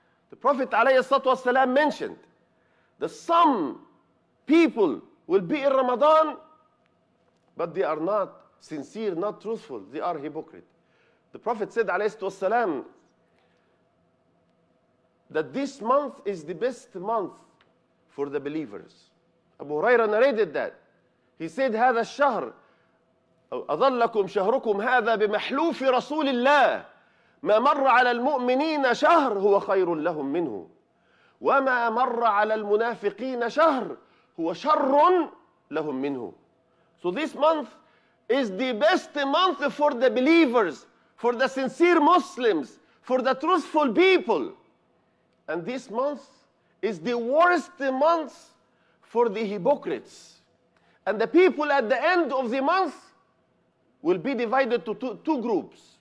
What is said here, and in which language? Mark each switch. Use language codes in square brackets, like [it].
[en] The Prophet alayhi salatu wasalam mentioned that some people will be in Ramadan, but they are not sincere, not truthful. They are hypocrite. The Prophet said alayhi salatu wasalam that this month is the best month for the believers. Abu Huraira narrated that. He said, [ar] هذا الشهر أظلكم شهركم هذا بمحلوف رسول الله ما مر على المؤمنين شهر هو خير لهم منه وما مر على المنافقين شهر هو شر لهم منه. [en] So this month is the best month for the believers, for the sincere Muslims, for the truthful people. And this month is the worst month for the hypocrites. And the people at the end of the month will be divided to two groups.